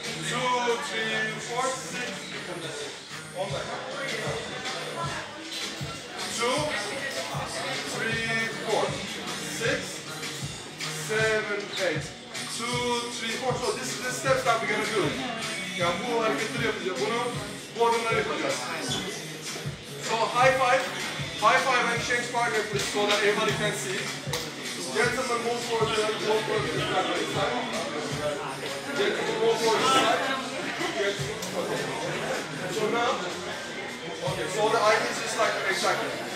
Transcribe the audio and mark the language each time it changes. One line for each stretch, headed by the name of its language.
English: Two, three, four, six. One back. Two, three, four, six, seven, eight. 2, 3, 4. So this is the step that we're gonna do.
Turkish: Yani bu hareketleri yapacağız. Bunu bu adımlar yapacağız.
English: So high five. High five and change partner please so that everybody can see. Gentlemen, move forward. Move forward. Gentlemen, move forward. Gentlemen, move forward. Gentlemen, move forward. So now, okay, so the idea is just like, exactly.